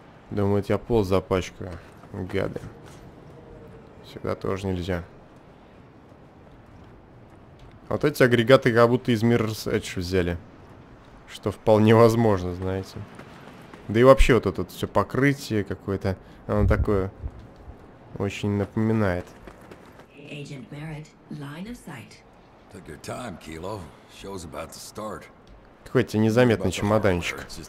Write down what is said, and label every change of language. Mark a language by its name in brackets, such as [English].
[Russian] Думают, я пол запачкаю. Гады. Сюда тоже нельзя. Вот эти агрегаты как будто из Mirror's Edge взяли. Что вполне возможно, знаете. Да и вообще вот это все покрытие какое-то. Оно такое очень напоминает. [English] Agent Merritt, line of sight. Took your time, Kilo. Show's about to start. [Russian] Какой-то незаметный чемоданчик.